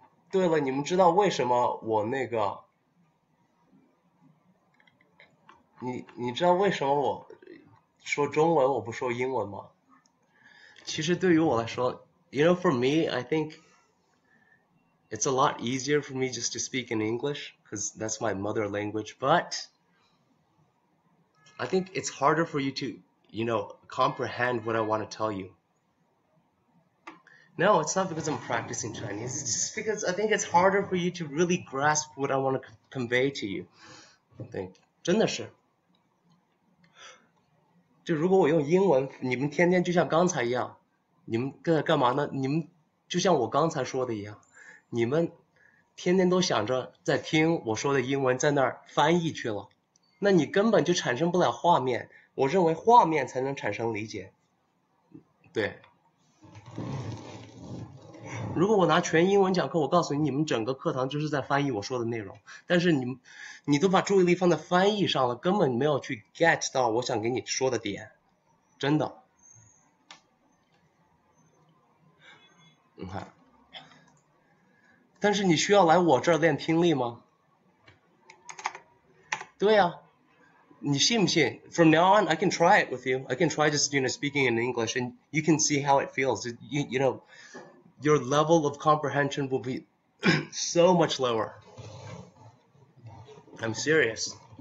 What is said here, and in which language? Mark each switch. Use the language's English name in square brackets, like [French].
[Chinese] 对了，你们知道为什么我那个？你知道为什么我说中文我不说英文吗？其实对于我来说， [English] you know for me, I think it's a lot easier for me just to speak in English because that's my mother language. But I think it's harder for you to, you know, comprehend what I want to tell you. No, it's not because I'm practicing Chinese. It's just because I think it's harder for you to really grasp what I want to convey to you. I think [Chinese] 真的是。就如果我用英文，你们天天就像刚才一样，你们在干嘛呢？你们就像我刚才说的一样，你们天天都想着在听我说的英文，在那儿翻译去了，那你根本就产生不了画面。我认为画面才能产生理解。对，如果我拿全英文讲课，我告诉你，你们整个课堂就是在翻译我说的内容，但是你都把注意力放在翻译上了，根本没有去 get 到我想给你说的点，真的。你看，但是你需要来我这儿练听力吗？对呀，你信不信？ [English] From now on, I can try it with you. I can try just, you know, speaking in English, and you can see how it feels. You know, your level of comprehension will be so much lower. I'm serious.